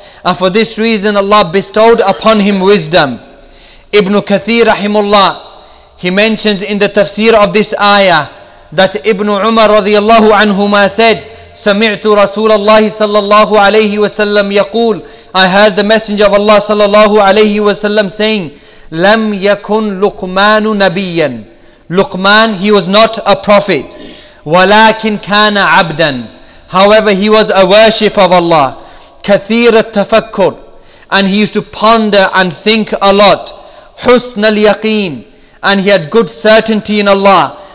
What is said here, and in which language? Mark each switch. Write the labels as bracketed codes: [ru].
[en] And for this reason, Allah bestowed upon him wisdom. Ibn Kathir rahimullah, he mentions in the tafsir of this ayah that Ibn Umar radiallahu anhuma said, [ar] سَمِعْتُ رَسُولَ اللَّهِ صَلَّى اللَّهُ عَلَيْهِ وَسَلَّمْ يَقُولُ. [en] I heard the Messenger of Allah [ar] صلى الله عليه وسلم [en] saying, [ar] لَمْ يَكُنْ لُقْمَانُ نَبِيًّا. [en] Luqman, he was not a prophet. [ar] وَلَكِنْ كَانَ عَبْدًا. [en] However, he was a worship of Allah. [ar] كَثِيرَ التَّفَكُّر. [en] And he used to ponder and think a lot. [ar] حُسْنَ الْيَقِينَ. [en] And he had good certainty in Allah.